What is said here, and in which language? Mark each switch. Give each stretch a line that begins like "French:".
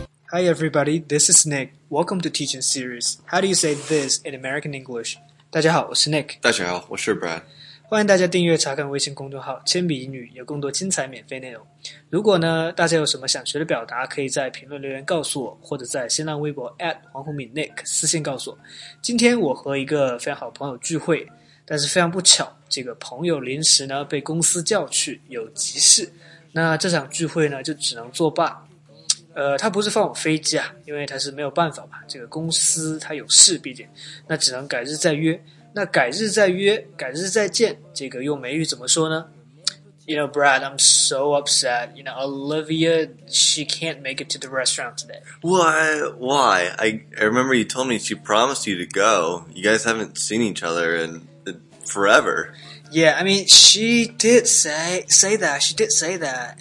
English: Hi everybody, this is Nick. Welcome to Teaching Series. How do you say this in American English?
Chinese: 大家好，我是 Nick。大家好，我是 Brad。欢迎大家订阅查看微信公众号“铅笔英语”，有更多精彩免费内容。如果呢，大家有什么想学的表达，可以在评论留言告诉我，或者在新浪微博 @ 黄宏敏 Nick 私信告诉我。今天我和一个非常好朋友聚会，但是非常不巧，这个朋友临时呢被公司叫去有急事，那这场聚会呢就只能作罢。他不是放我飞机啊，因为他是没有办法嘛，这个公司他有事，毕竟那只能改日再约。那改日再约，改日再见，这个用美语怎么说呢？
English: You know, Brad, I'm so upset. You know, Olivia, she can't make it to the restaurant today. Why? Why? I remember you told me she promised you to go. You guys haven't seen each other in forever. Yeah, I mean, she did say that. She did say that.